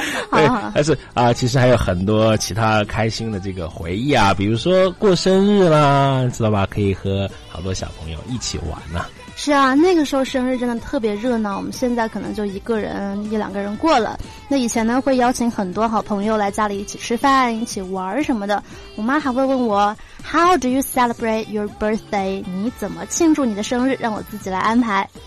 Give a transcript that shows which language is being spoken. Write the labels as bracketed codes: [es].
[zh] 对，但是啊，其实还有很多其他开心的这个回忆啊，比如说过生日啦，知道吧？可以和好多小朋友一起玩呢。是啊，那个时候生日真的特别热闹，我们现在可能就一个人一两个人过了。那以前呢会邀请很多好朋友来家里一起吃饭一起玩什么的。我妈还会问我 [en] How do you celebrate your birthday? [zh] 你怎么庆祝你的生日，让我自己来安排。